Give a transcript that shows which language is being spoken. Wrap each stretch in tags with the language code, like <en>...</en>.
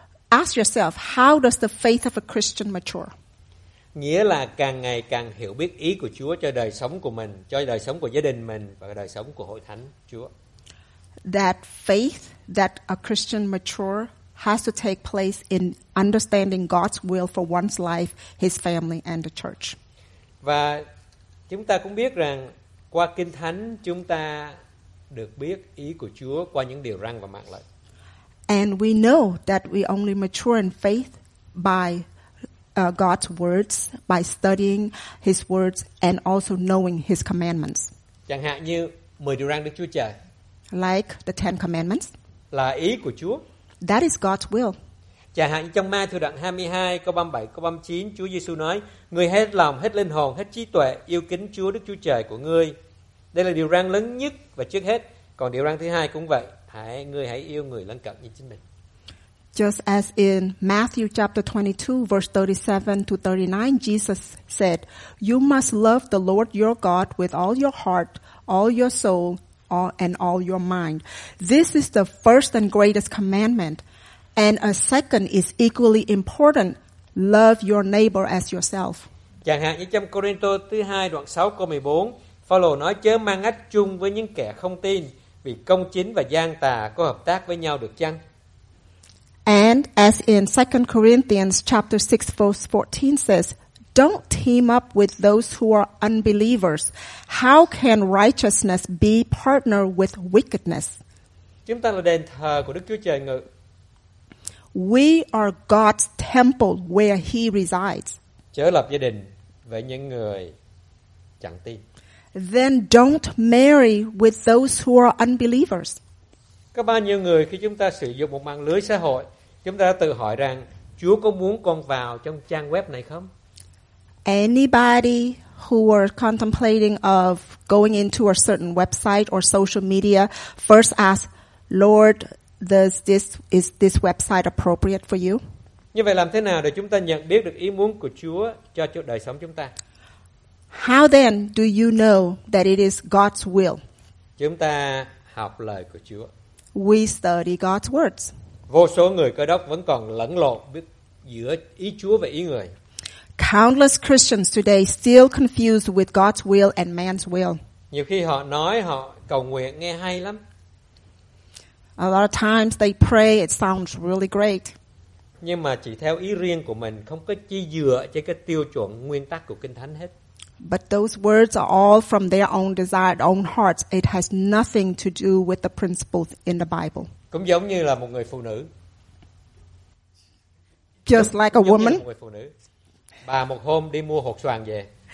<en>Ask yourself, how does the faith of a Christian mature?</en> <vi>Nghĩa là càng ngày càng hiểu biết ý của Chúa cho đời sống của mình, cho đời sống của gia đình mình và đời sống của hội thánh Chúa.</vi> <en>That faith that a Christian mature has to take place in understanding God's will for one's life, his family and the church.</en> <vi>Và chúng ta cũng biết rằng qua Kinh Thánh chúng ta được biết ý của Chúa qua những điều răn và mạng lệnh.</vi> <en>And we know that we only mature in faith by God's words, by studying His words and also knowing His commandments.</en> <vi>Chẳng hạn như 10 điều răn Đức Chúa Trời.</vi> <en>Like the Ten Commandments.</en> <vi>Là ý của Chúa.</vi> <en>That is God's will.</en> <vi>Chẳng hạn trong Ma thư đoạn 22 câu 37 câu 39 Chúa Giêsu nói: Người hết lòng, hết linh hồn, hết trí tuệ yêu kính Chúa Đức Chúa Trời của ngươi. Đây là điều răn lớn nhất và trước hết. Còn điều răn thứ hai cũng vậy, ngươi hãy yêu người lân cận như chính mình.</vi> <en>Just as in Matthew chapter 22 verse 37 to 39, Jesus said, "You must love the Lord your God with all your heart, all your soul, and all your mind. This is the first and greatest commandment. And a second is equally important. Love your neighbor as yourself."</en> <vi>Chẳng hạn như trong Cô-rinh-tô thứ 2 đoạn 6 câu 14, Phao-lô nói chớ mang ách chung với những kẻ không tin, vì công chính và gian tà có hợp tác với nhau được chăng?</vi> <en>And as in 2 Corinthians chapter 6 verse 14 says, don't team up with those who are unbelievers. How can righteousness be partner with wickedness?</en> <vi>Chúng ta là đền thờ của Đức Chúa Trời ngự.</vi> <en>We are God's temple where He resides.</en> <vi>Chớ lập gia đình với những người chẳng tin.</vi> <en>Then don't marry with those who are unbelievers.</en> <vi>Có bao nhiêu người khi chúng ta sử dụng một mạng lưới xã hội, chúng ta tự hỏi rằng Chúa có muốn con vào trong trang web này không?</vi> <en>Anybody who are contemplating of going into a certain website or social media, first ask, Lord, is this website appropriate for you?</en> <vi>Như vậy làm thế nào để chúng ta nhận biết được ý muốn của Chúa cho đời sống chúng ta?</vi> <en>How then do you know that it is God's will?</en> <vi>Chúng ta học lời của Chúa.</vi> <en>We study God's words.</en> <vi>Vô số người Cơ Đốc vẫn còn lẫn lộn biết giữa ý Chúa và ý người.</vi> <en>Countless Christians today still confused with God's will and man's will.</en> <vi>Nhiều khi họ nói họ cầu nguyện nghe hay lắm.</vi> <en>A lot of times they pray, it sounds really great.</en> <vi>Nhưng mà chỉ theo ý riêng của mình, không có chi dựa trên cái tiêu chuẩn nguyên tắc của Kinh Thánh hết.</vi> <en>But those words are all from their own desired own hearts. It has nothing to do with the principles in the Bible.</en> <vi>Cũng giống như là một người phụ nữ.</vi> <en>Just like a woman.</en> <vi>Như một người phụ nữ. Bà một hôm đi mua hột xoàn về.</vi>